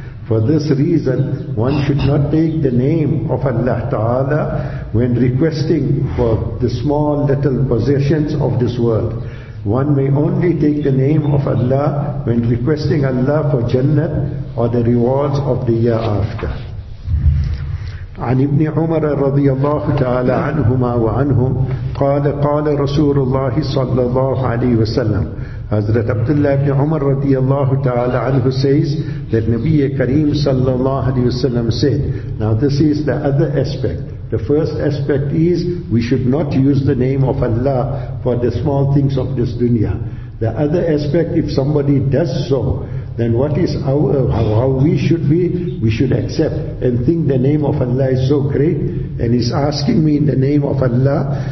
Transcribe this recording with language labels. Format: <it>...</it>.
<en>For this reason, one should not take the name of Allah Ta'ala when requesting for the small little possessions of this world. One may only take the name of Allah when requesting Allah for Jannah or the rewards of the year after.</en> <ar>عن ابن عمر رضي الله تعالى عنهما وعنهم قال قال رسول الله صلى الله عليه وسلم. حضرت عبداللہ ابن عمر رضي الله تعالى عنه says that نبي كريم صلى الله عليه وسلم said.</ar> <en>Now this is the other aspect. The first aspect is we should not use the name of Allah for the small things of this dunya. The other aspect, if somebody does so, then what is how we should be? We should accept and think the name of Allah is so great, and is asking me in the name of Allah.</en>